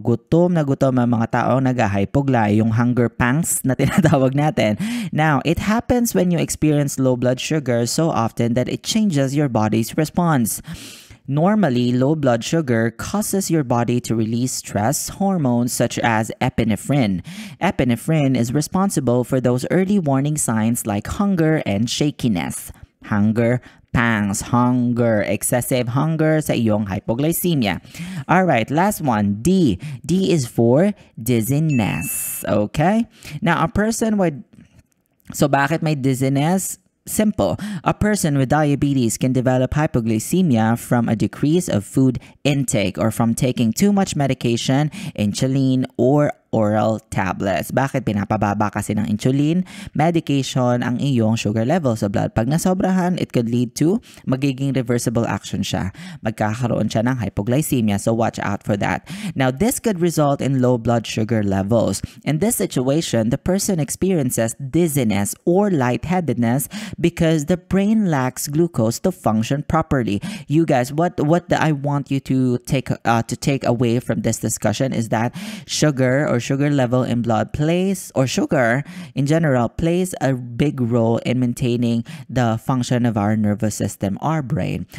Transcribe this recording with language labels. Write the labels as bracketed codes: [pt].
[tl] Gutom na gutom ang mga tao nag-hypoglycemia, yung hunger pangs na tinatawag natin. [en] Now, it happens when you experience low blood sugar so often that it changes your body's response. Normally, low blood sugar causes your body to release stress hormones such as epinephrine. Epinephrine is responsible for those early warning signs like hunger and shakiness. Hunger pangs, hunger, excessive hunger [tl] sa iyong [en] hypoglycemia. Alright, last one, D. D is for dizziness. Okay? Now, a person with... So, [tl] bakit may [en] dizziness? Simple. A person with diabetes can develop hypoglycemia from a decrease of food intake or from taking too much medication, insulin, or oral tablets. [tl] Bakit pinapababa kasi ng insulin medication ang iyong sugar levels sa blood? Pag nasobrahan, [en] it could lead to magiging reversible action siya. [tl] Magkakaroon siya ng hypoglycemia. [en] So watch out for that. Now, this could result in low blood sugar levels. In this situation, the person experiences dizziness or lightheadedness because the brain lacks glucose to function properly. You guys, what I want you to take away from this discussion is that sugar or sugar level in blood plays, or sugar in general, plays a big role in maintaining the function of our nervous system, our brain.